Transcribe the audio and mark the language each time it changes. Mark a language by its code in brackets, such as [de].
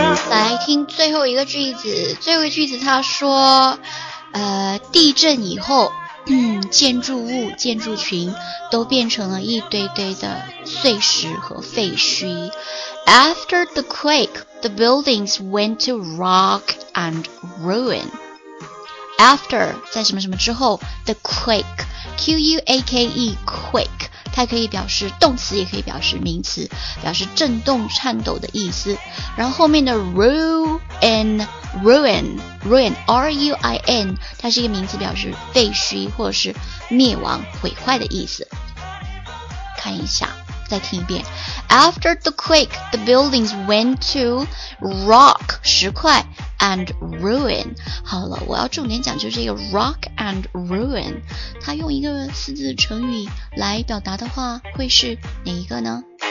[zh] 来听最后一个句子，最后一个句子他说地震以后建筑群都变成了一堆堆的碎石和废墟。 [en] After the quake, the buildings went to rock and ruin. [zh] After, 在什么什么之后 , [en] the quake, [zh] Q-U-A-K-E, quake, 它可以表示动词也可以表示名词，表示震动颤抖的意思。然后后面的 ruin, R-U-I-N, 它是一个名词，表示废墟或者是灭亡毁坏的意思。看一下，再听一遍。 [en] After the quake, the buildings went to rock, [zh] 石块 [en] and ruin. [zh] 好了，我要重点讲就是这个 [en] rock and ruin. [zh] 它用一个四字成语来表达的话，会是哪一个呢？